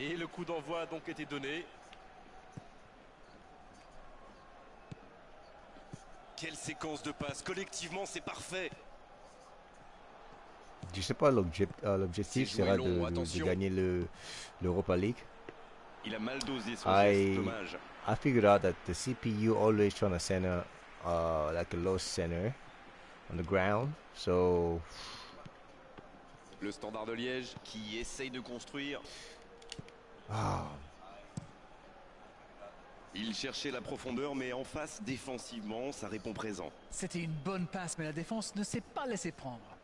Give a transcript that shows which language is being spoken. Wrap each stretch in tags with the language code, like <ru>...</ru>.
<fr>Et le coup d'envoi a donc été donné. Quelle séquence de passes. Collectivement, c'est parfait. Je sais pas, l'objectif sera de gagner l'Europa League. Il a mal dosé son geste, dommage.</fr> <en>I figured out that the CPU always trying to center like a low center on the ground. So</en> <fr>le Standard de Liège qui essaye de construire. Il cherchait la profondeur, mais en face défensivement, ça répond présent. C'était une bonne passe, mais la défense ne s'est pas laissée prendre.</fr>